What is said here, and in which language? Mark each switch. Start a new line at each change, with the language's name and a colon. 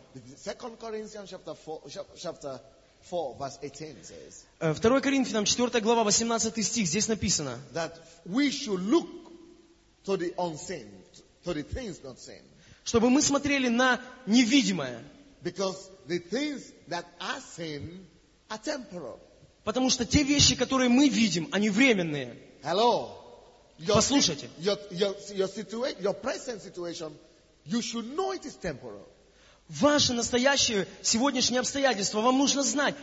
English: 2 Corinthians chapter 4, chapter 4, verse 18 says,
Russian: 2 Коринфянам 4 глава 18 стих, здесь написано,
English: that we should look to the unseen. So the things not seen.
Russian: Чтобы мы смотрели на невидимое.
English: Because the things that are seen are temporal.
Russian: Потому что те вещи, которые мы видим, они временные.
English: Hello.
Russian: Послушайте.
English: Your present situation, you should know it is temporal.
Russian: Ваше настоящее сегодняшнее обстоятельство вам нужно знать.